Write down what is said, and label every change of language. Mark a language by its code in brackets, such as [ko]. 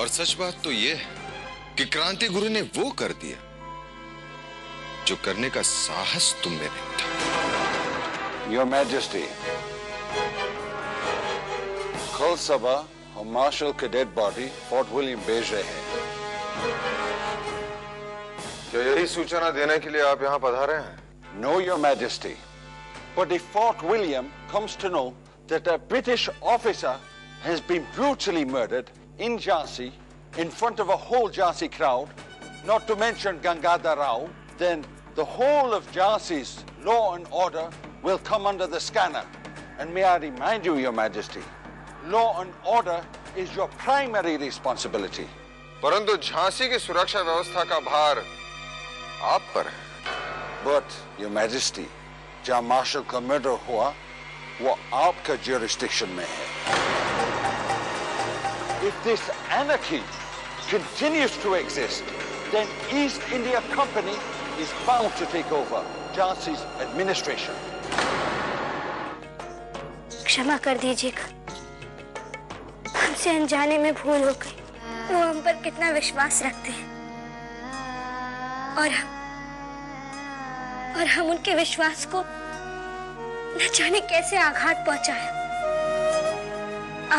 [hi] और सच बात तो ये है कि क्रांति गुरु ने वो कर दिया जो करने का साहस तुम में नहीं था। [en] your majesty, [hi] कल सुबह हम मार्शल के डेड बॉडी फोर्ट विलियम भेज रहे हैं। क्या यही सूचना देने के लिए आप यहां पधारे हैं? [en] No, Your Majesty. But if Fort William comes to know that a British officer has been brutally murdered in Jhansi, in front of a whole Jhansi crowd, not to mention Gangadhar Rao, then the whole of Jhansi's law and order will come under the scanner. And may I remind you, Your Majesty, law and order is your primary responsibility. [hi] परंतु झांसी की सुरक्षा व्यवस्था का भार आप पर है। [en] But, Your Majesty, [hi] जहां मार्शल का मर्डर हुआ वो आपका jurisdiction में है। [en] If this anarchy continues to exist, then East India Company is bound to take over Jhansi's administration. [hi] क्षमा कर दीजिएगा, हमसे अनजाने में भूल हो गई। वो हम पर कितना विश्वास रखते हैं और हम उनके विश्वास को न जाने कैसे आघात पहुंचाया।